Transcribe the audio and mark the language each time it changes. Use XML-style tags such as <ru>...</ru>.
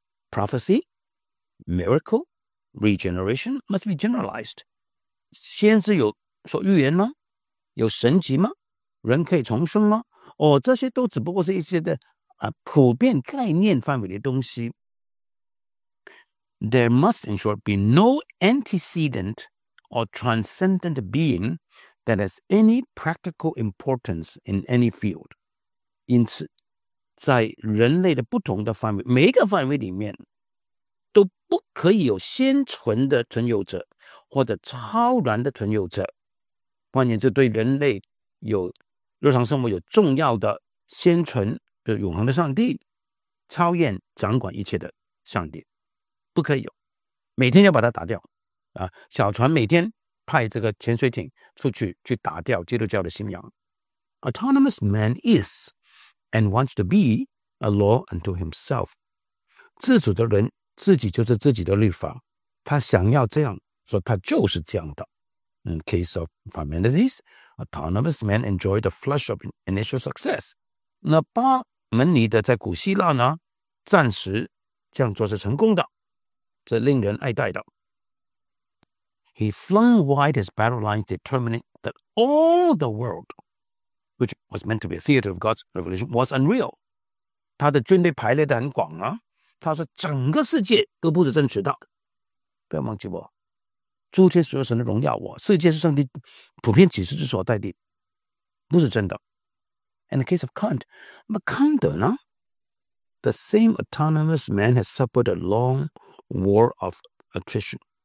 <en>Prophecy, miracle, regeneration must be generalized.</en> <zh>先知有所预言吗？有神迹吗？人可以重生吗？这些都只不过是一些的普遍概念范围的东西。</zh> <en>There must in short be no antecedent or transcendent being that has any practical importance in any field.</en> <zh>因此在人类的不同的范围，每一个范围里面都不可以有先存的存有者或者超然的存有者，换言之对人类有日常生活有重要的先存，就是永恒的上帝，超验掌管一切的上帝，不可以有，每天要把它打掉小船每天派这个潜水艇出去打掉基督教的信仰。</zh> <en>Autonomous man is and wants to be a law unto himself.</en> <zh>自主的人自己就是自己的律法，他想要这样说他就是这样的。</zh> <en>In case of Parmenides, autonomous man enjoyed the flush of initial success.</en> <zh>那巴门尼德在古希腊呢暂时这样做是成功的，是令人爱戴的。</zh> <en>He flung wide his battle lines determining that all the world which was meant to be a theater of God's revelation was unreal.</en> <zh>他的军队排列得很广啊，他说整个世界都不是真实的，不要忘记我诸天所有神的荣耀，我世界是上帝普遍启示之所在地，不是真的。</zh> <en>In the case of Kant, but Kant, no? The same autonomous man has suffered a long war of attrition.</en>